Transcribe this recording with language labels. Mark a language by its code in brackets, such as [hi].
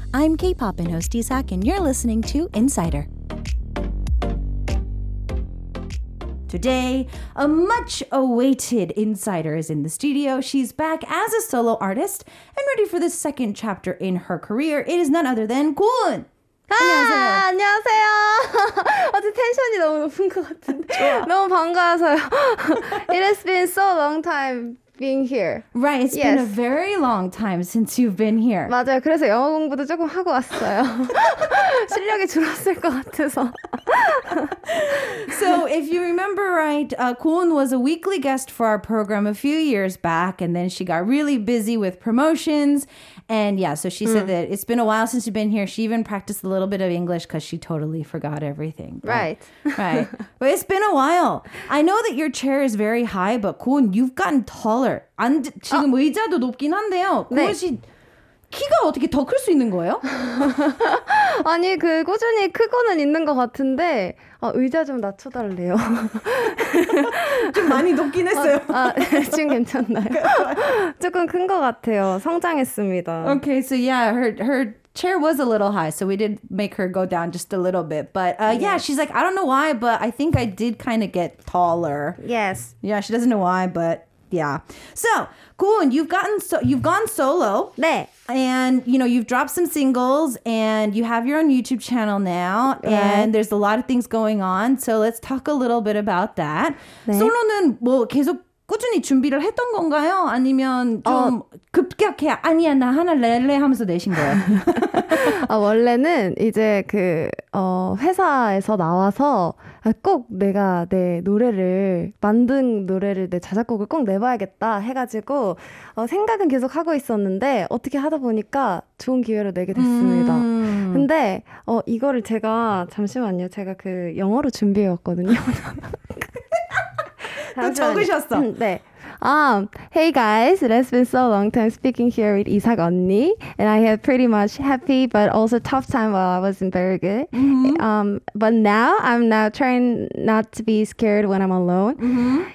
[en] I'm K-pop and host Isak, and you're listening to Insider. Today, a much-awaited insider is in the studio. She's back as a solo artist and ready for the second chapter in her career. It is none other than Kun! [ko] 안녕하세요. 안녕하세요. 어제 텐션이 너무 높은 것 같은데. 너무 반가워서요. [en] It has been so long time being here. Right, it's been a very long time since you've been here. [ko] 맞아요. 그래서 영어 공부도 조금 하고 왔어요. 실력이 줄었을 것 같아서. [en] So if you remember right, Kun was a weekly guest for our program a few years back, and then she got really busy with promotions. And yeah, so she said that it's been a while since you've been here. She even practiced a little bit of English because she totally forgot everything. But, right. Right. But it's been a while. I know that your chair is very high, but Kun, you've gotten taller. [ko] 안, 지금 의자도 높긴 한데요. 네. 씨, 키가 어떻게 더 클 수 있는 거예요? 아니, 그 꾸준히 크고는 있는 것 같은데 아, 의자 좀 낮춰달래요. 좀 많이 높긴 했어요. 지금 괜찮나요? 조금 큰 것 같아요. 성장했습니다. [en] Okay, so yeah, her chair was a little high, so we did make her go down just a little bit. But yeah, she's like, I don't know why, but I think I did kind of get taller. Yes. Yeah, she doesn't know why, but yeah. So, Kun, you've gone solo. [ko] 네. [en] And, you know, you've dropped some singles and you have your own YouTube channel now. Right. And there's a lot of things going on. So let's talk a little bit about that. [ko] 네. 솔로는 뭐 계속 꾸준히 준비를 했던 건가요? 아니면 좀 급격해? 아니야, 나 하나 낼래 하면서 내신 거예요? 원래는 이제 그 회사에서 나와서 꼭 내가 내 노래를 만든 노래를 내 자작곡을 꼭 내봐야겠다 해가지고 생각은 계속 하고 있었는데 어떻게 하다 보니까 좋은 기회로 내게 됐습니다. 근데 이거를 제가 잠시만요. 제가 그 영어로 준비해왔거든요. [en] hey guys, it has been so long time speaking here with Isak [ko] 언니, [en] and I had pretty much happy but also tough time while I was in Baregu. Mm-hmm. But now I'm now trying not to be scared when I'm alone. Mm-hmm.